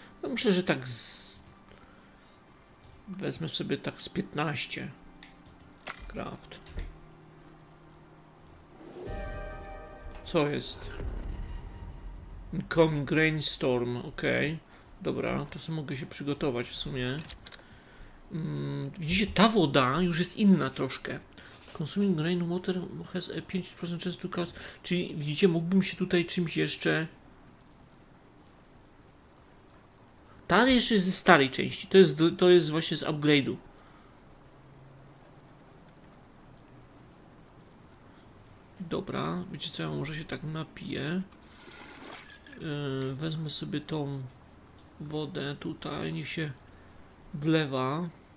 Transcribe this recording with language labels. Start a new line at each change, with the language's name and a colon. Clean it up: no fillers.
Polish: No myślę, że tak z... Wezmę sobie tak z 15. Craft. Co jest?
English: Incoming rainstorm,
Polish: okej. Dobra, to sobie mogę się przygotować w sumie. Widzicie, ta woda już jest inna troszkę.
English: Consuming rain water has a 5% chance to cause.
Polish: Czyli widzicie, mógłbym się tutaj czymś jeszcze. Ta jeszcze jest ze starej części. To jest właśnie z upgrade'u. Dobra, wiecie co, ja może się tak napiję. Wezmę sobie tą wodę tutaj, niech się wlewa.